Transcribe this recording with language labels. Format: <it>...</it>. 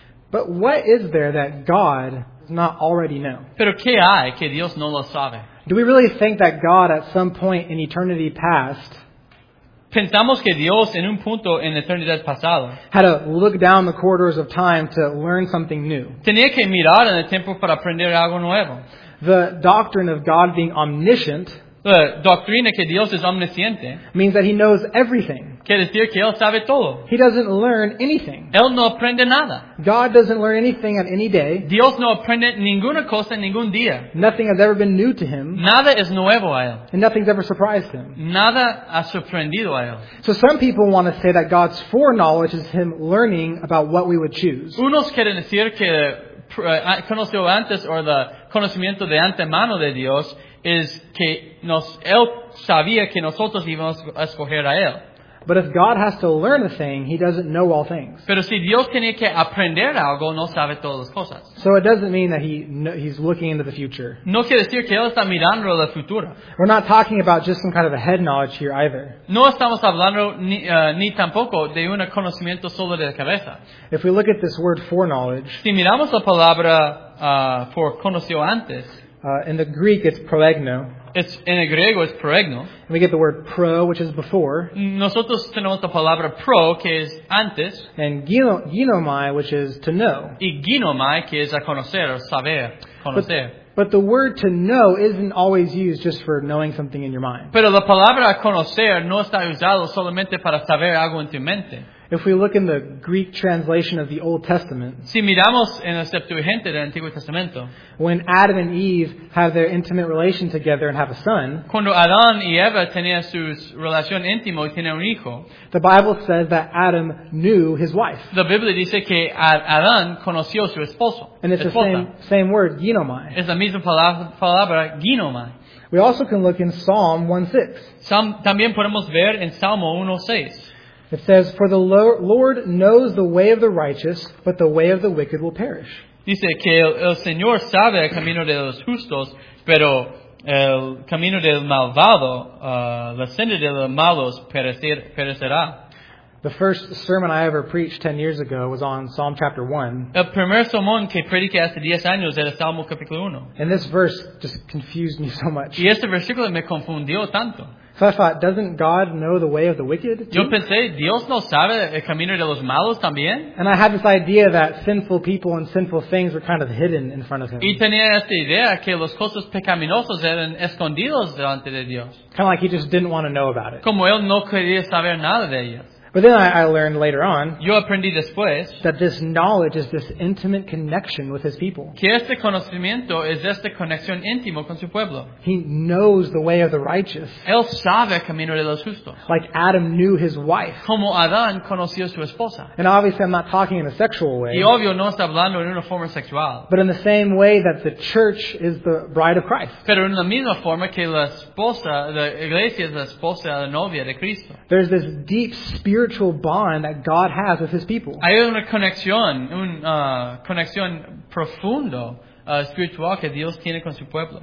<en>But what is there that God does not already know?</en> <es>Pero qué hay que Dios no lo sabe?</es> <en>Do we really think that God at some point in eternity past</en> <es>pensamos que Dios en un punto en la eternidad pasada</es> <en>had to look down the corridors of time to learn something new?</en> <es>Tenía que mirar en el tiempo para aprender algo nuevo.</es> <en>The doctrine of God being omniscient,</en> <es>la doctrina que Dios es omnisciente,</es> <en>means that he knows everything.</en> <es>Quiere decir que él sabe todo.</es> <en>He doesn't learn anything.</en> <es>Él no aprende nada.</es> <en>God doesn't learn anything at any day.</en> <es>Dios no aprende ninguna cosa en ningún día.</es> <en>Nothing has ever been new to him.</en> <es>Nada es nuevo a él.</es> <en>And nothing's ever surprised him.</en> <es>Nada ha sorprendido a él.</es> <en>So some people want to say that God's foreknowledge is him learning about what we would choose.</en> <es>Unos quieren decir que conoció antes, o el conocimiento de antemano de Dios es que él sabía que nosotros íbamos a escoger a él.</es> <en>But if God has to learn a thing, he doesn't know all things.</en> <es>Pero si Dios tiene que aprender algo, no sabe todas las cosas.</es> <en>So it doesn't mean that he's looking into the future.</en> <es>No quiere decir que él está mirando el futuro.</es> <en>We're not talking about just some kind of a head knowledge here either.</en> <es>No estamos hablando ni tampoco de un conocimiento solo de la cabeza.</es> <en>If we look at this word foreknowledge,</en> <es>si miramos la palabra por conoció antes,</es> <en>in the Greek it's proegno. It's in griego it's proegno. We get the word pro, which is before.</en> <es>Nosotros tenemos la palabra pro, que es antes.</es> <en>And ginomai, which is to know.</en> <es>Y ginomai, que es a conocer, saber, conocer.</es> <en>But the word to know isn't always used just for knowing something in your mind.</en> <es>Pero la palabra conocer no está usado solamente para saber algo en tu mente.</es> <en>If we look in the Greek translation of the Old Testament,</en> <es>si miramos en la Septuaginta del Antiguo Testamento,</es> <en>when Adam and Eve have their intimate relation together and have a son,</en> <es>cuando Adán y Eva tenían su relación íntima y tenían un hijo,</es> <en>the Bible says that Adam knew his wife.</en> <es>La Biblia dice que Adán conoció su esposo.</es> <en>And it's</en> <es>esposa.</es> <en>The same word, ginomai.</en> <es>Es la misma palabra, ginomai.</es> <en>We also can look in Psalm 1:6.</en> <es>También podemos ver en Salmo 1:6.</es> <en>It says, "For the Lord knows the way of the righteous, but the way of the wicked will perish."</en> <es>Dice que el Señor sabe el camino de los justos, pero el camino del malvado, la senda de los malos perecerá.</es> <en>The first sermon I ever preached 10 years ago was on Psalm chapter 1.</en> <es>El primer sermón que prediqué hace 10 años era Salmo capítulo 1.</es> <en>And this verse just confused me so much.</en> <es>Y este versículo me confundió tanto.</es> <en>So I thought, doesn't God know the way of the wicked too?</en> <es>Yo pensé, ¿Dios no sabe el camino de los malos también?</es> <en>And I had this idea that sinful people and sinful things were kind of hidden in front of him.</en> <es>Y tenía esta idea que los cosas pecaminosos eran escondidos delante de Dios.</es> <en>Kind of like he just didn't want to know about it.</en> <es>Como él no quería saber nada de ellos.</es> <en>But then I learned later on,</en> <es>yo aprendí después,</es> <en>that this knowledge is this intimate connection with his people.</en> <es>Que este conocimiento es esta conexión íntima con su pueblo.</es> <en>He knows the way of the righteous.</en> <es>Él sabe el camino de los justos.</es> <en>Like Adam knew his wife.</en> <es>Como Adán conoció su esposa.</es> <en>And obviously I'm not talking in a sexual way.</en> <es>Y obvio no está hablando en una forma sexual.</es> <en>But in the same way that the church is the bride of Christ.</en> <es>Pero en la misma forma que la esposa, la iglesia es la esposa, la novia de Cristo.</es> <en>There's this deep spiritual bond that God has with his people.</en> <es>Hay una conexión, conexión profundo, espiritual que Dios tiene con su pueblo.</es>